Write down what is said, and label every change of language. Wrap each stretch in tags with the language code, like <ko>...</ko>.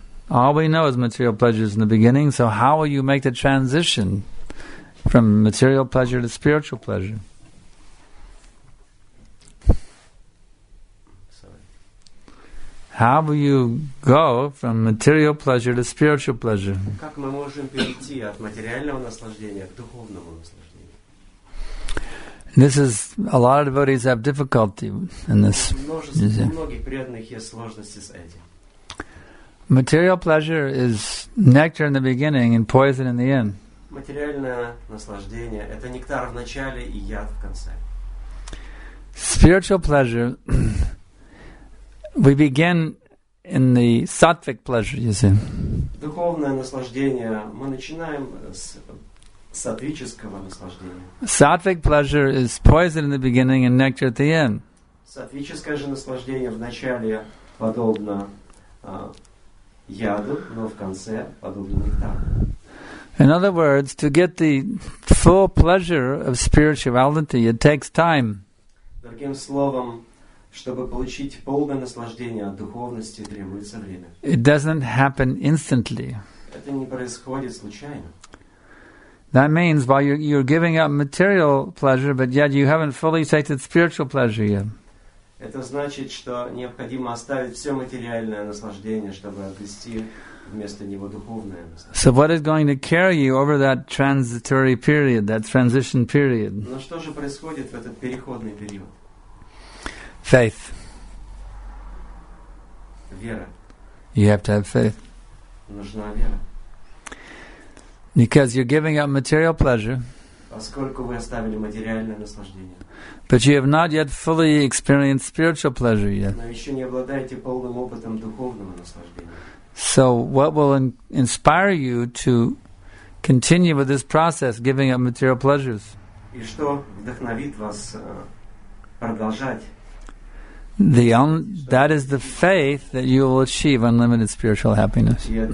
<en>All we know is material pleasures in the beginning, so how will you make the transition from material pleasure to spiritual pleasure? How will you go from material pleasure to spiritual pleasure?</en> <ru>Как мы можем перейти от материального наслаждения к духовному наслаждению?</ru> <en>This is, a lot of devotees have difficulty in this.</en> <ru>Многих преданных есть сложности с этим.</ru> <en>Material pleasure is nectar in the beginning and poison in the end.</en> <ru>Материальное наслаждение — это нектар в начале и яд в конце.</ru> <en>Spiritual pleasure. We begin in the sattvic pleasure, you see.</en> <ru>Духовное наслаждение мы начинаем с сатвического наслаждения.</ru> <en>Sattvic pleasure is poison in the beginning and nectar at the end.</en> <ru>Сатвическое же наслаждение в начале подобно яду, но в конце подобно нектару.</ru> <en>In other words, to get the full pleasure of spirituality, it takes time.</en> <ru>Другим словом, чтобы получить полное наслаждение от духовности, требуется время.</ru> <en>It doesn't happen instantly.</en> <ru>Это не происходит случайно.</ru> <en>That means while you're giving up material pleasure, but yet you haven't fully tasted spiritual pleasure yet.</en> <ru>Это значит, что необходимо оставить все материальное наслаждение, чтобы обрести вместо него духовное наслаждение.</ru> <en>So what is going to carry you over that transitory period, that transition period?</en> <ru>Но что же происходит в этот переходный период?</ru> <en>Faith.</en> <ru>Вера.</ru> <en>You have to have faith.</en> <ru>Нужна вера.</ru> <en>Because you're giving up material pleasure.</en> <ru>Поскольку вы оставили материальное наслаждение.</ru> <en>But you have not yet fully experienced spiritual pleasure yet.</en> <ru>Но еще не обладаете полным опытом духовного наслаждения.</ru> <en>So what will inspire you to continue with this process, giving up material pleasures?</en> <ru>И что вдохновит вас продолжать?</ru> <en>That is the faith that you will achieve unlimited spiritual happiness.</en>